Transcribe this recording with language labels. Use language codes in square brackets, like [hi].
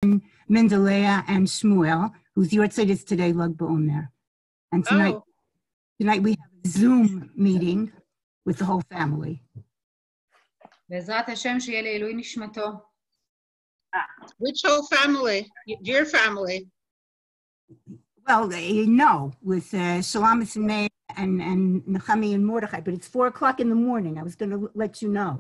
[en] I'm Mendeleya and Shmuel, who's your tzedis today, Lag BaOmer. And tonight we have a Zoom meeting with the whole family. [he] בעזרת השם שיהיה לעילוי נשמתו. [en] Which whole family? Your family? Well, you know, with Shalamis and May and Nechami and Mordechai, but it's 4 o'clock in the morning. I was going to let you know.